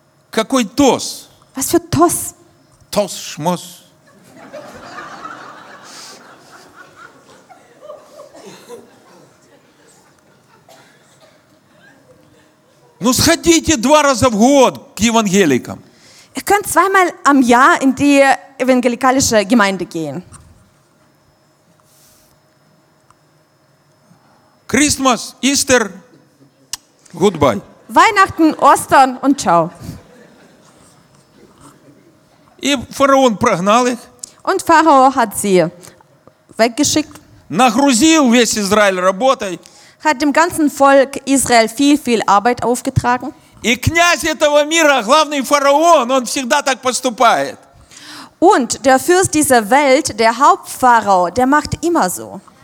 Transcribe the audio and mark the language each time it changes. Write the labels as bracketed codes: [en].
[ru] Какой Тос? [de] Was für Тос? [ru] Тос, шмос. Ну сходите два раза в год к евангеликам. [de] Ihr könnt zweimal am Jahr in die evangelikalische Gemeinde gehen. [en] Christmas, Easter, goodbye. [de] Weihnachten, Ostern und ciao. [ru] И фараон прогнал их. [de] Und Pharao hat sie weggeschickt. [ru] Нагрузил весь Израиль работой. [de] Hat dem ganzen Volk Israel viel, viel Arbeit aufgetragen. [ru] И князь этого мира, главный фараон, он всегда так поступает. [de] Und der Fürst dieser Welt, der Hauptpharao, der macht immer so.